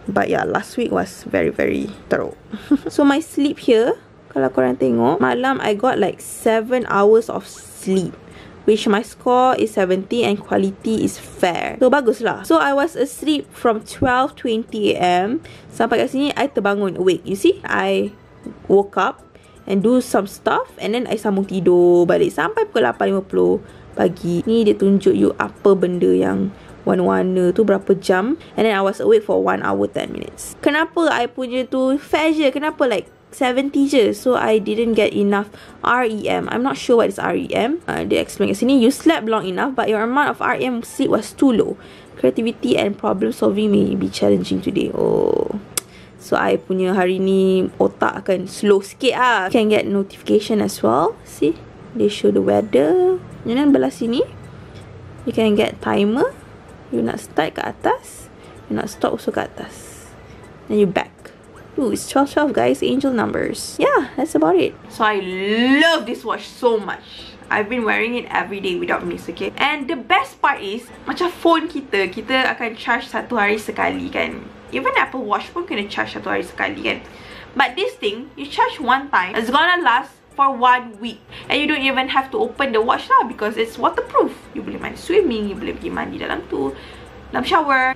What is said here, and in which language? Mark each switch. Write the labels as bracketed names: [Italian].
[English] But yeah, last week was very, very teruk. So my sleep here, [Malay] kalau korang tengok, malam [English] I got like 7 hours of sleep. Which my score is 70 and quality is fair. So, [Malay] bagus lah. [English] So, I was asleep from 12:20 a.m. [Malay] Sampai kat sini, [English] I terbangun awake. You see, I woke up and do some stuff. And then, [Malay] I sambung tidur balik sampai pukul 8:50 pagi. Ni dia tunjuk you apa benda yang warna-warna tu berapa jam. [English] And then, I was awake for 1 hour 10 minutes. [Malay] Kenapa I punya tu fair je? [English] Kenapa like 70 je, so I didn't get enough REM. I'm not sure what is REM. They explain kat sini, you slept long enough but your amount of REM sleep was too low. Creativity and problem solving may be challenging today. [Malay] Oh, so I punya hari ni otak akan slow sikit lah. [English] Can get notification as well. See, they show the weather. And then [Malay] belah sini, [English] you can get timer. [Malay] You nak start kat atas, you nak stop also kat atas. Then you back. [English] Ooh, it's 12:12, guys. Angel numbers. Yeah, that's about it. So I love this watch so much. I've been wearing it every day without miss, okay? And the best part is, [Malay] macam phone kita, kita akan charge satu hari sekali, kan? Even Apple Watch pun kena charge satu hari sekali, kan? [English] But this thing, you charge one time, it's gonna last for 1 week. And you don't even have to open the watch lah because it's waterproof. [Malay] You boleh main swimming, you boleh pergi mandi dalam tu, dalam shower.